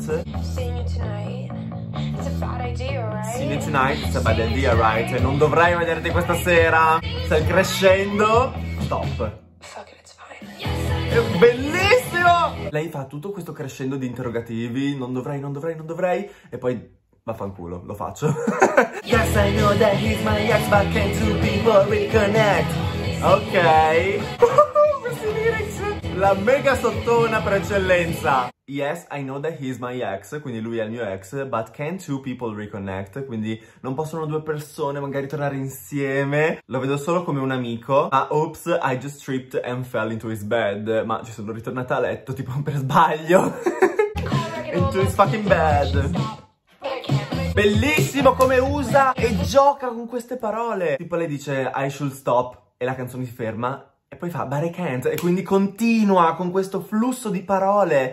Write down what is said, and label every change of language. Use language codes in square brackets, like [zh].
[en] See me tonight, it's a bad idea, right? [it] E non dovrei vederti questa sera. Stai crescendo. Stop. [en] Fuck it, it's fine. [it] Bellissimo! Lei fa tutto questo crescendo di interrogativi. Non dovrei, non dovrei, non dovrei. E poi... vaffanculo, lo faccio. [en] Yes, I know that he's my ex, but can two people reconnect? [it] Ok. Questi lyrics. La mega sottona per eccellenza. [en] Yes, I know that he's my ex, [it] quindi lui è il mio ex, [en] but can two people reconnect? [it] Quindi non possono due persone magari tornare insieme? Lo vedo solo come un amico. [en] Ma oops, I just tripped and fell into his bed. [it] Ma ci sono ritornata a letto, tipo per sbaglio. [en] Into his fucking bed. [it] Bellissimo come usa e gioca con queste parole. Tipo lei dice [en] I should stop [it] e la canzone si ferma e poi fa [en] but I can't [it] e quindi continua con questo flusso di parole.